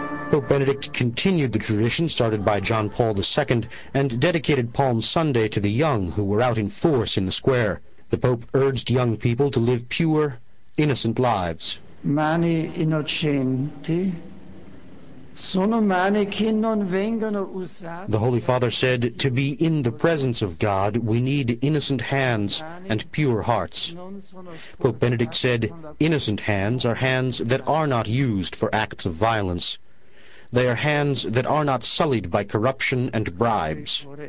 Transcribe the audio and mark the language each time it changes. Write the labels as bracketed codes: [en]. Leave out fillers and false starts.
[en] Pope Benedict continued the tradition started by John Paul II and dedicated Palm Sunday to the young who were out in force in the square. The Pope urged young people to live pure, innocent lives. [it] Mani innocenti sono mani che non vengono usate. [en] The Holy Father said, to be in the presence of God, we need innocent hands and pure hearts. Pope Benedict said, innocent hands are hands that are not used for acts of violence. They are hands that are not sullied by corruption and bribes.